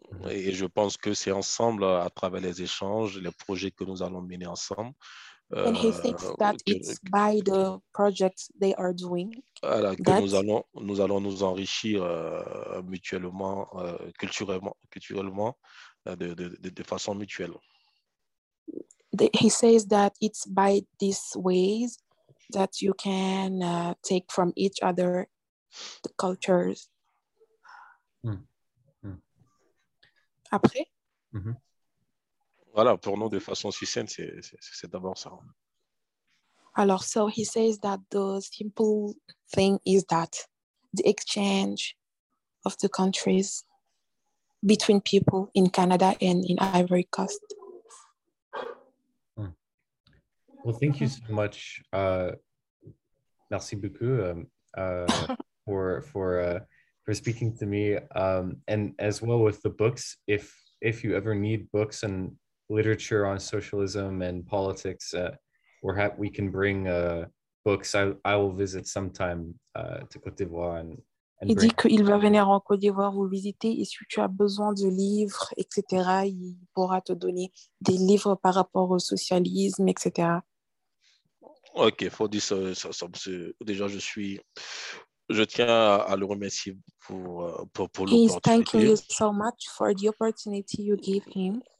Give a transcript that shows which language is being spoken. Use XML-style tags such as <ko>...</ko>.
<fr>Et je pense que c'est ensemble, à travers les échanges, les projets que nous allons mener ensemble.</fr> <en>And he thinks that it's by the projects they are doing.</en> <fr>Voilà, que nous allons nous enrichir mutuellement, culturellement, de façon mutuelle.</fr> <en>He says that it's by these ways that you can take from each other the cultures.</en> <fr>Après. Voilà, pour nous, de façon succincte, c'est d'abord ça.</fr> <en>Alors, so he says that the simple thing is that the exchange of the countries between people in Canada and in Ivory Coast. Well, thank you so much.</en> <fr>Merci beaucoup</fr> <en>for speaking to me. And as well with the books, if you ever need books and literature on socialism and politics, we can bring books. I will visit sometime to Côte d'Ivoire.</en> <fr>Il dit qu'il va venir en Côte d'Ivoire vous visiter, et si tu as besoin de livres, etc., il pourra te donner des livres par rapport au socialisme, etc. Ok, faut dire ça. Déjà, je tiens à le remercier pour l'opportunité.</fr> <en>He's thanking you so much for the opportunity you gave him.</en>